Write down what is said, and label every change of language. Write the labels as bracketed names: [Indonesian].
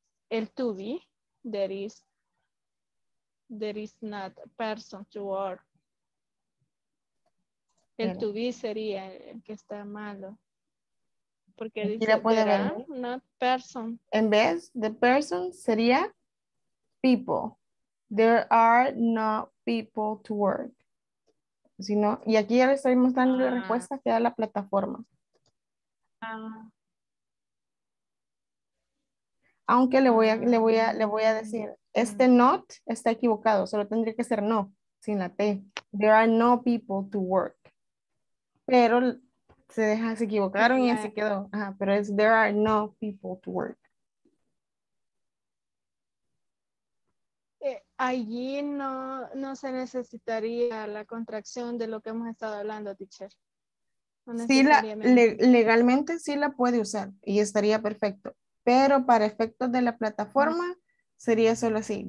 [English] El to be, there is not persons who are. [Spanish] El to be sería el que está malo. Porque dice [English] there ver. Are not persons. [Spanish] En vez de person sería people. [English] There are no people to work. [Spanish] Si no, y aquí ya le estoy mostrando la respuesta que da la plataforma. Aunque le voy a decir, este not está equivocado, solo tendría que ser no, sin la T. [English] There are no people to work. [Spanish] Pero se equivocaron y así quedó. Ajá, pero es [English] there are no people to work. [Spanish] Allí no se necesitaría la contracción de lo que hemos estado hablando, teacher. No sí, legalmente sí la puede usar y estaría perfecto. Pero para efectos de la plataforma sería solo así.